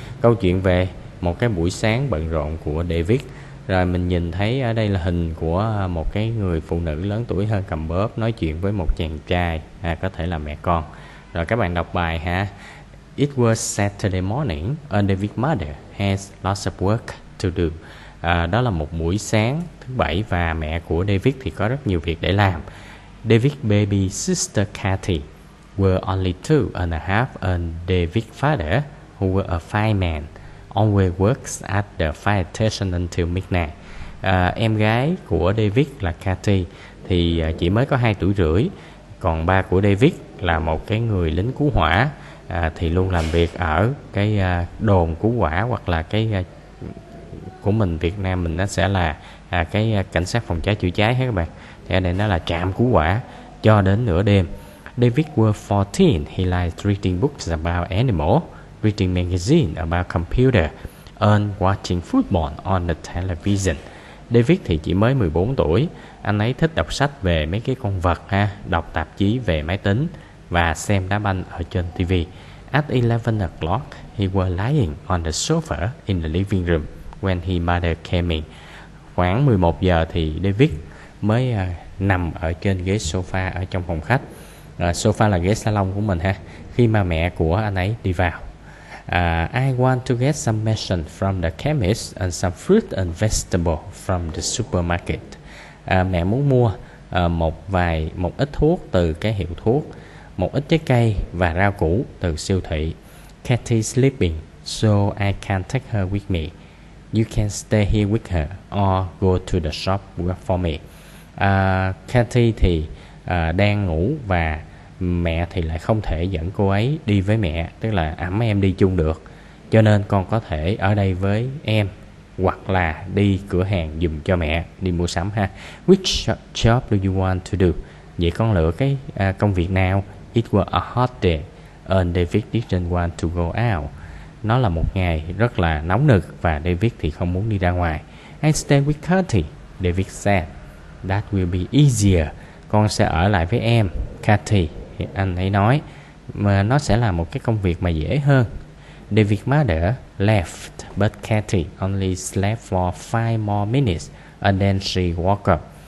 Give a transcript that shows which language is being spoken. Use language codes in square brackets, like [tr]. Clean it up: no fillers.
[vi] Câu chuyện về một cái buổi sáng bận rộn của David. Rồi mình nhìn thấy ở đây là hình của một cái người phụ nữ lớn tuổi hơn cầm bóp nói chuyện với một chàng trai ha, có thể là mẹ con. Rồi các bạn đọc bài ha. [en] It was Saturday morning and David's mother has lots of work to do. [vi] Đó là một buổi sáng thứ bảy và mẹ của David thì có rất nhiều việc để làm. [en] David's baby sister Kathy were only 2 and a half and David's father, who were a fireman, always works at the fire station until midnight. [vi] Em gái của David là Kathy thì chỉ mới có 2 tuổi rưỡi. Còn ba của David là một cái người lính cứu hỏa thì luôn làm việc ở cái đồn cứu hỏa hoặc là cái của mình Việt Nam mình nó sẽ là cái cảnh sát phòng cháy chữa cháy hết các bạn. Thì ở đây nó là trạm cứu hỏa cho đến nửa đêm. [en] David was 14. He liked reading books about animals, reading magazines about computer, and watching football on the television. [vi] David thì chỉ mới 14 tuổi. Anh ấy thích đọc sách về mấy cái con vật ha, đọc tạp chí về máy tính và xem đá banh ở trên TV. [en] At 11 o'clock, he was lying on the sofa in the living room when his mother came in. [vi] Khoảng 11 giờ thì David mới nằm ở trên ghế sofa ở trong phòng khách. Sofa là ghế salon của mình ha. Khi mà mẹ của anh ấy đi vào. [en] I want to get some medicine from the chemist and some fruit and vegetable from the supermarket. [vi] Mẹ muốn mua một ít thuốc từ cái hiệu thuốc, một ít trái cây và rau củ từ siêu thị. [en] Kathy's sleeping, so I can't take her with me. You can stay here with her or go to the shop work for me. [vi] Kathy thì đang ngủ và mẹ thì lại không thể dẫn cô ấy đi với mẹ, tức là ẵm em đi chung được. Cho nên con có thể ở đây với em hoặc là đi cửa hàng giùm cho mẹ đi mua sắm ha. [en] Which job do you want to do? [vi] Vậy con lựa cái công việc nào? [en] It was a hot day and David didn't want to go out. [vi] Nó là một ngày rất là nóng nực và David thì không muốn đi ra ngoài. [en] I'll stay with Kathy, David said. That will be easier. [vi] Con sẽ ở lại với em, Kathy, anh ấy nói. Mà nó sẽ là một cái công việc mà dễ hơn. [en] David's mother left, but Kathy only slept for 5 more minutes and then she woke up.